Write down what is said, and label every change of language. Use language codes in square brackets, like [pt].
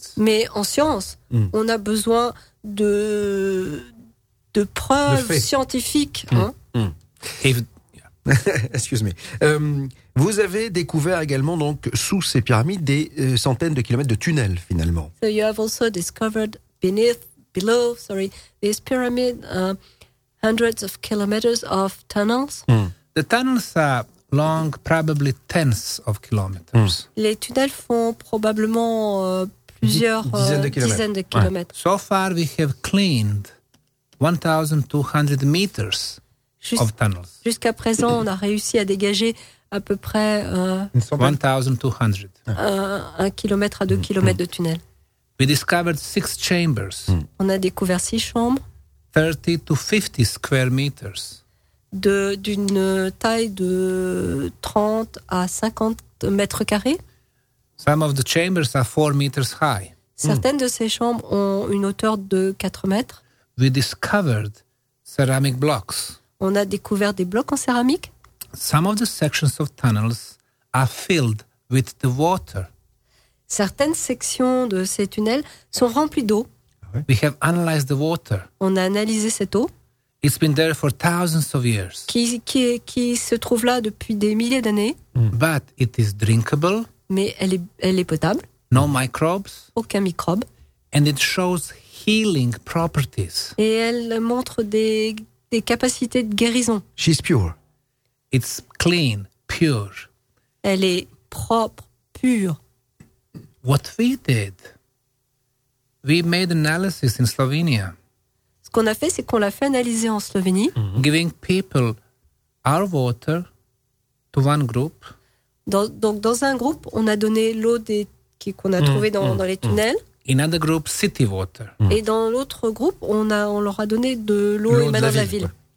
[fr] Mais en science, on a besoin de preuves scientifiques. Excuse-moi. Vous avez découvert également donc sous ces pyramides des centaines de kilomètres de tunnels finalement. [en] So you have also discovered below these pyramids hundreds of kilometers of tunnels. Mm. The tunnels are long, probably tens of kilometers. Mm. [fr] Les tunnels font probablement plusieurs dizaines de kilomètres. [en] So far we have cleaned 1200 meters of tunnels. [fr] Jusqu'à présent, on a réussi à dégager à peu près 1200. Un kilomètre à deux kilomètres de tunnel. [en] We discovered six chambers. [fr] Mm. On a découvert six chambres. [en] 30 to 50 square meters. [fr] D'une taille de 30 à 50 mètres carrés. [en] Some of the chambers are 4 meters high. [fr] Certaines de ces chambres ont une hauteur de 4 mètres. [en] We discovered ceramic blocks. [fr] On a découvert des blocs en céramique. [en] Some of the sections of tunnels are filled with the water. [fr] Certaines sections de ces tunnels sont remplies d'eau. [en] We have analyzed the water. [fr] On a analysé cette eau. [en] It's been there for thousands of years. [fr] Qui se trouve là depuis des milliers d'années. [en] Mm. But it is drinkable. [fr] Mais elle est potable. [en] No microbes. [fr] Aucun microbe. [en] And it shows healing properties. [fr] Et elle montre des capacités de guérison. [en] She's pure. It's clean, pure. [fr] Elle est propre, pure. [en] What we did, we made analysis in Slovenia. [fr] Ce qu'on a fait, c'est qu'on l'a fait analyser en Slovénie. [en] Mm-hmm. Giving people our water to one group. [fr] Dans un groupe, on a donné l'eau qu'on a trouvée dans les tunnels. [en] In another group, city water. Mm. [fr] Et dans l'autre groupe, on leur a donné de l'eau émanant de la ville.